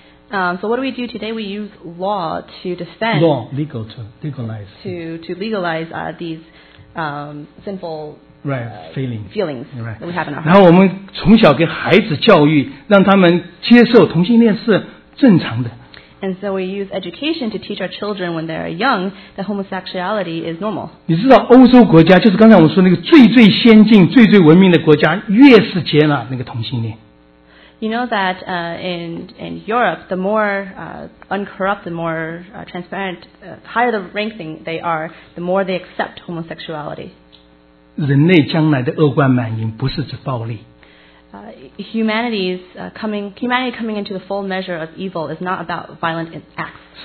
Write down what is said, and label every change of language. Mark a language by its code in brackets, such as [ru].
[en] So what do? Today we use law to defend... Law, legal, to legalize. To legalize these sinful... Right, feelings right. that we have in our heart. [zh] 然后我们从小给孩子教育, 让他们接受同性恋是正常的。 [en] And so we use education to teach our children when they're young that homosexuality is normal. [zh] 你知道欧洲国家, 就是刚才我们说那个最最先进, 最最文明的国家, 越是接纳那个同性恋。 [en] You know that in Europe, the more uncorrupt, the more transparent, higher the ranking they are, the more they accept homosexuality. [zh] 人类将来的恶贯满盈不是指暴力。 [en] Humanity coming into the full measure of evil is not about violent acts.